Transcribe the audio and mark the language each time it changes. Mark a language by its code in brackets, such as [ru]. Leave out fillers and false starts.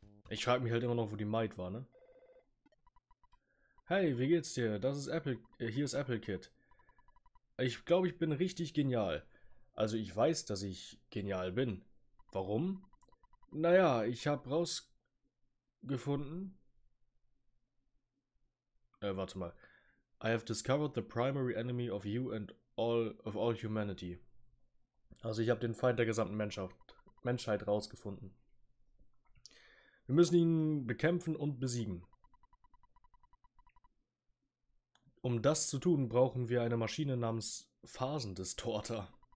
[de] Ich frage mich halt immer noch, wo die Maid war, ne? Hey, wie geht's dir? Das ist Apple. Hier ist Apple Kid. Ich glaube, ich bin richtig genial. Also ich weiß, dass ich genial bin. Warum? Naja, ich habe rausgefunden. Warte mal. [en] I have discovered the primary enemy of you and all of all humanity. [de] Also ich habe den Feind der gesamten Menschheit rausgefunden. Wir müssen ihn bekämpfen und besiegen. Um das zu tun, brauchen wir eine Maschine namens Phasendistorter.